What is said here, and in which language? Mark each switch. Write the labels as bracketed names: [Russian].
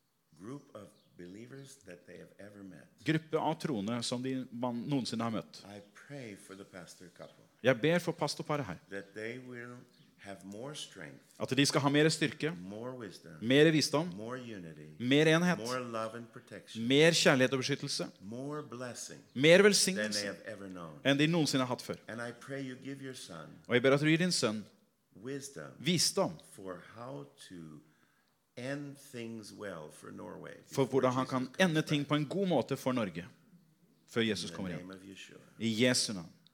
[English] Group of believers that they have ever met. [Swedish] Grupp av troende som de någonsin har mött. [English] I pray for the pastor couple. [Swedish] Jag ber för pastorparet här. [English] That they will have more strength. [Swedish] Att de ska ha mer styrka. [English] More wisdom. [Swedish] Mer visdom. [English] More unity. [Swedish] Mer enhet. [English] More love and protection. [Swedish] Mer kärlek och beskyddelse. [English] More blessing. [Swedish] Mer välsignelse. [English] Than they have ever known. [Swedish] Än de någonsin har haft för. [English] And I pray you give your son. [Swedish] Och jag ber att du ger din son [English] wisdom. [Swedish] Visdom. [English] For how to end things well for Norway. [Swedish] För hur han kan ända ting på en god måte för Norge. För Jesus kommer igen. I Jesu namn.